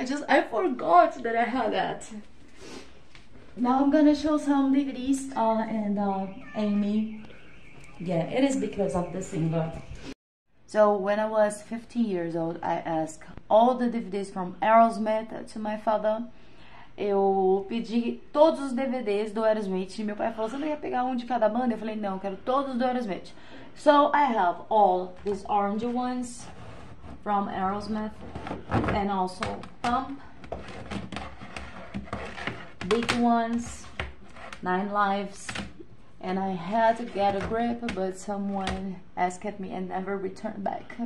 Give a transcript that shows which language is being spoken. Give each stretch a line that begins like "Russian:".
English: I forgot that I had that. Now I'm gonna show some DVDs and Amy. Yeah, it is because of the singer. So when I was 15 years old, I asked all the DVDs from Aerosmith to my father.
Portuguese: Eu pedi todos os DVDs do Aerosmith. Meu pai falou, você não ia pegar um de cada banda? Eu falei, não, eu quero todos do Aerosmith.
English: So, I have all these orange ones from Aerosmith. And also, Pump. Big ones. Nine Lives. And I had to get a grip, but someone asked me and never returned back.